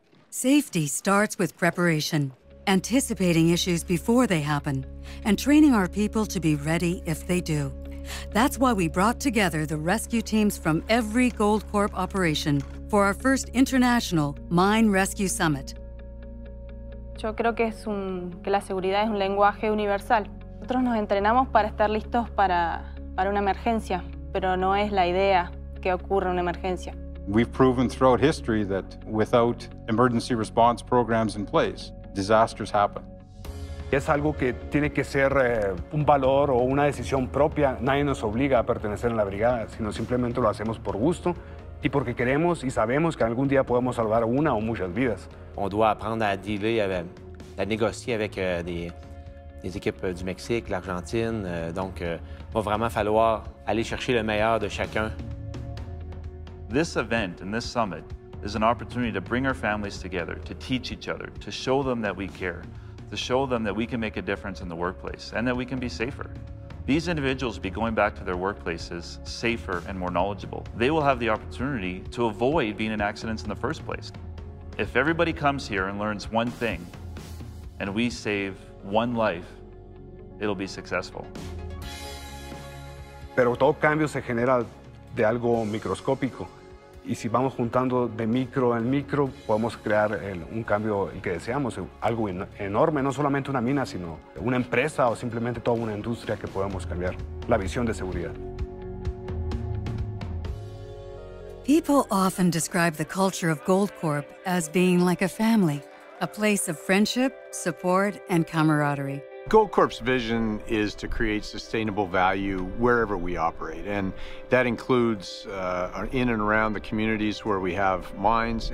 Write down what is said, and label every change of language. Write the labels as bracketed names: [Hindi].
[English] Safety starts with preparation, anticipating issues before they happen, and training our people to be ready if they do. That's why we brought together the rescue teams from every Goldcorp operation for our first international Mine Rescue Summit. [Spanish] Yo creo que es un que la seguridad es un lenguaje universal. Nosotros nos entrenamos para estar listos para una emergencia, pero no es la idea que ocurra una emergencia. [English] We've proven throughout history that without emergency response programs in place, disasters happen. [Spanish] Es algo que tiene que ser un valor o una decisión propia. Nadie nos obliga a pertenecer a la brigada, sino simplemente lo hacemos por gusto y porque queremos y sabemos que algún día podemos salvar una o muchas vidas. [French] On doit apprendre à dealer, à négocier avec des équipes du Mexique, l'Argentine. Donc, il va vraiment falloir aller chercher le meilleur de chacun. [English] This event and this summit is an opportunity to bring our families together, to teach each other, to show them that we care, to show them that we can make a difference in the workplace and that we can be safer. These individuals will be going back to their workplaces safer and more knowledgeable. They will have the opportunity to avoid being in accidents in the first place. If everybody comes here and learns one thing, and we save one life, it'll be successful. [Spanish] Pero todo cambio se genera de algo microscópico. Y si vamos juntando de micro en micro, podemos crear un cambio que deseamos, algo enorme, no solamente una mina, sino una empresa o simplemente toda una industria que podamos cambiar la visión de seguridad. [English] People often describe the culture of Goldcorp as being like a family, a place of friendship, support, and camaraderie. Goldcorp's vision is to create sustainable value wherever we operate, and that includes in and around the communities where we have mines.